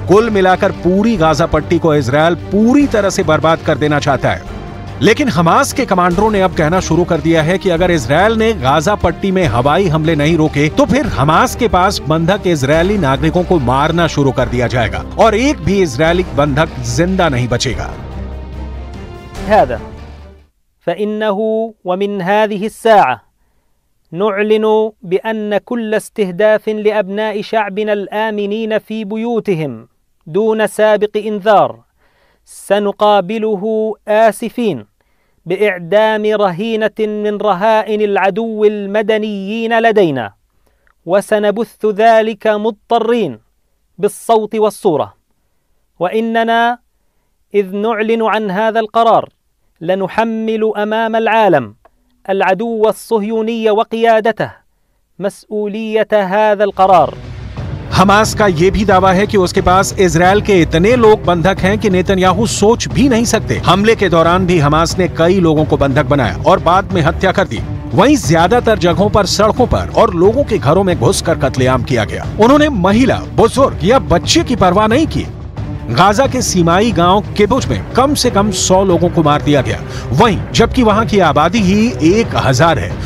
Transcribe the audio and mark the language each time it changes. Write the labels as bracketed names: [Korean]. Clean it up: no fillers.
[Hindi] कुल मिलाकर पूरी गाजा पट्टी को इसराइल पूरी तरह से बर्बाद कर देना चाहता है। लेकिन हमास के कमांडरों ने अब कहना शुरू कर दिया है कि अगर इसराइल ने गाजा पट्टी में हवाई हमले नहीं रोके तो फिर हमास के पास बंधक इजरायली नागरिकों को मारना शुरू कर दिया जाएगा और एक भी इजरायली बंधक जिंदा नहीं बचेगा। [Arabic] هذا فانه ومن هذه الساعه نعلن بان كل استهداف لابناء شعبنا الامنين في بيوتهم دون سابق انذار سنقابله اسفين بإعدام رهينة من رهائن العدو المدنيين لدينا وسنبث ذلك مضطرين بالصوت والصورة وإننا إذ نعلن عن هذا القرار لنحمل أمام العالم العدو الصهيوني وقيادته مسؤولية هذا القرار। [Hindi] हमास का ये भी दावा है कि उसके पास इसराइल के इतने लोग बंधक हैं कि नेतन्याहू सोच भी नहीं सकते। हमले के दौरान भी हमास ने कई लोगों को बंधक बनाया और बाद में हत्या कर दी। वहीं ज्यादातर जगहों पर सड़कों पर और लोगों के घरों में घुसकर कत्लेआम किया गया। उन्होंने महिला, बुजुर्ग या बच्चे की परवाह नहीं की। गाजा के सीमाई गांव किबुज में कम से कम 100 लोगों को मार दिया गया, वहीं जबकि वहां की आबादी ही 1,000 है।